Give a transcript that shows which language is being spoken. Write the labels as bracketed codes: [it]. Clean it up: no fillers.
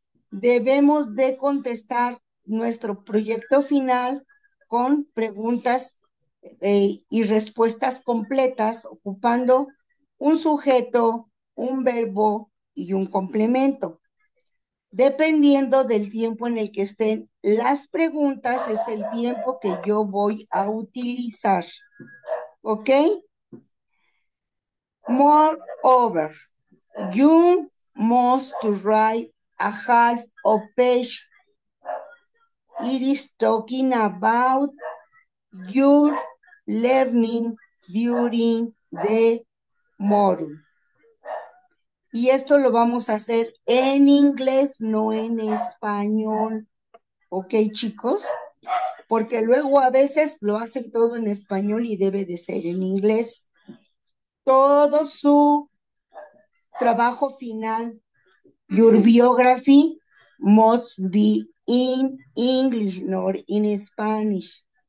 [es] Debemos de contestar nuestro proyecto final con preguntas y respuestas completas, ocupando un sujeto, un verbo y un complemento. Dependiendo del tiempo en el que estén las preguntas, es el tiempo que yo voy a utilizar. ¿Ok? [en] Moreover, you must write a half of page. It is talking about your learning during the module. [es] Y esto lo vamos a hacer en inglés, no en español. ¿Ok, chicos? Porque luego a veces lo hacen todo en español y debe de ser en inglés. Todo su trabajo final, [en] your biography, must be in English, not in Spanish.